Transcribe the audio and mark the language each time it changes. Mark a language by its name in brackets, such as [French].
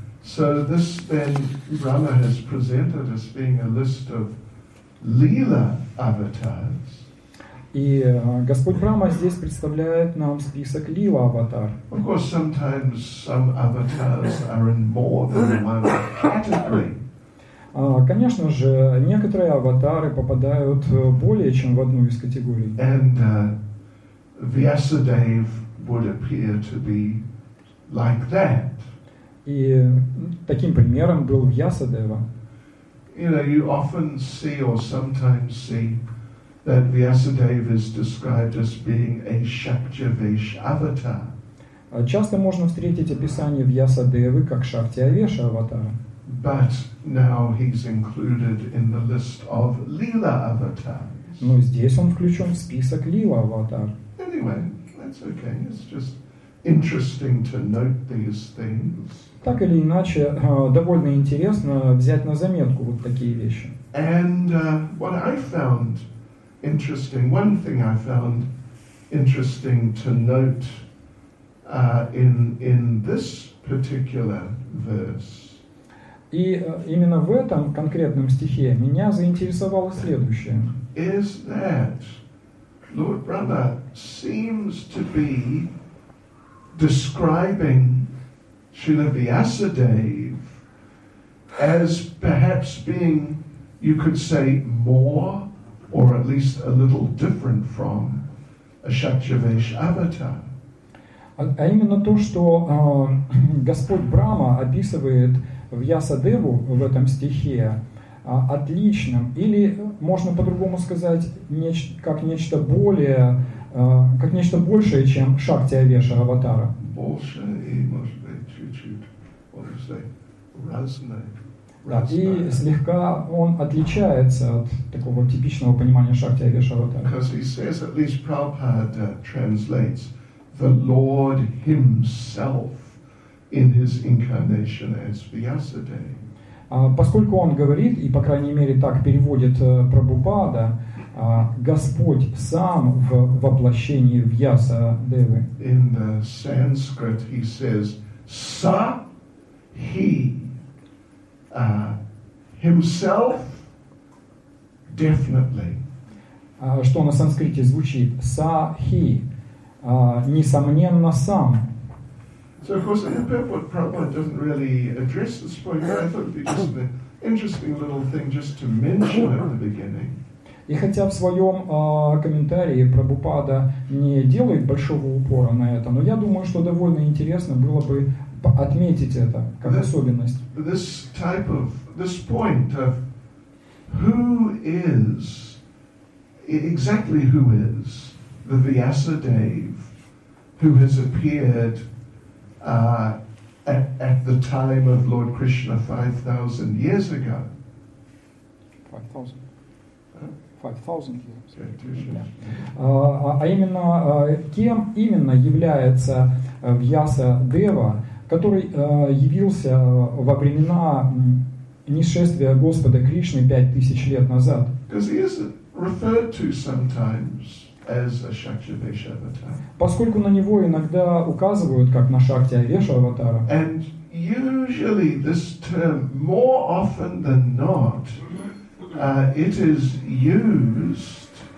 [English] So this then Rama has presented as being a list of Lila avatars. [Russian] И Господь Рама здесь представляет нам список Лила аватар. [English] Of course, sometimes some avatars are in more than one category. [Russian] Конечно же, некоторые аватары попадают более чем в одну из категорий. [English] And Vyasadev would appear to be like that. [Russian] И таким примером был Вьясадева. [English] You know, you often see or sometimes see that Vyasadeva is described as being a Shaktivesh avatar. [Russian] Часто можно встретить описание Вьясадевы как Шактиавеша аватара. [English] But now he's included in the list of Lila avatars. [Russian] Но здесь он включен в список Лила аватар. [English] Anyway, that's okay. It's just interesting to note these things. [Russian] Так или иначе, довольно интересно взять на заметку вот такие вещи. [English] And what I found interesting, one thing I found interesting to note in this particular verse. [Russian] И именно в этом конкретном стихе меня заинтересовало следующее. [English] Is that Lord Brahma seems to be describing Srila Vyasadeva as perhaps being, you could say, more or at least a little different from a Shaktivesh avatar. [Russian] А именно то, что Господь Брама описывает Вьясадеву в этом стихе отличным, или можно по-другому сказать, как нечто большее, чем Шактиавеша аватара. Больше и, может быть, чуть-чуть, можно сказать, разное. Да, и слегка он отличается от такого типичного понимания Шактиавеша аватара. [English] Because he says, at least Prabhupada translates, the Lord himself in his incarnation as Vyasadeva. [Russian] Поскольку он говорит, и по крайней мере так переводит Прабхупада, Господь сам в воплощении Вьясадевы. [English] In the Sanskrit he says, Sa, he, himself, definitely. [Russian] Что на санскрите звучит? Sa, he, несомненно, сам. [English] So of course, a bit what Prabhupada doesn't really address this point, but I thought it'd be just an interesting little thing just to mention at the beginning. [Russian] И хотя в своем комментарии Прабхупада не делает большого упора на это, но я думаю, что довольно интересно было бы отметить это как особенность. [English] This type of this point of who is exactly who is the Vyasadeva who has appeared at the time of Lord Krishna 5,000 years ago. 5,000 years. [Russian] А именно кем именно является Вьясадева, который явился во времена нисшествия Господа Кришны 5,000 лет назад? [English] Because he is referred to sometimes as a Shaktivesha avatar. [Russian] Поскольку на него иногда указывают как на Шактиавеша аватара. [English] And usually this term, more often than not, it is used.